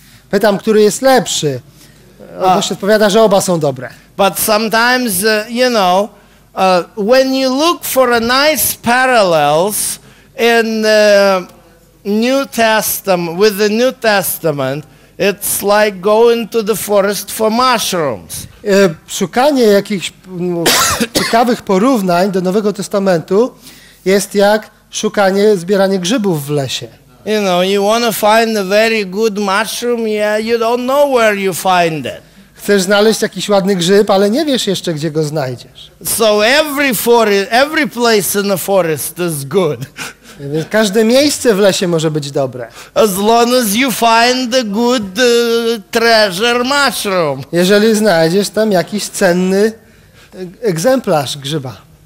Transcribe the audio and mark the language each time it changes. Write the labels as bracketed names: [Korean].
[Polish] Pytam, który jest lepszy. Ktoś odpowiada, że oba są dobre. [English] But sometimes, you know, when you look for a nice parallels in the New Testament, with the New Testament, it's like going to the forest for mushrooms. [Polish] Szukanie jakichś ciekawych porównań do Nowego Testamentu jest jak szukanie, zbieranie grzybów w lesie. [English] You know, you want to find a very good mushroom, yeah, you don't know where you find it. [Polish] Chcesz znaleźć jakiś ładny grzyb, ale nie wiesz jeszcze, gdzie go znajdziesz. [English] So every place in the forest is good. [Polish] Każde miejsce w lesie może być dobre. [English] As long as you find the good treasure mushroom. [Polish] Jeżeli znajdziesz tam jakiś cenny egzemplarz grzyba.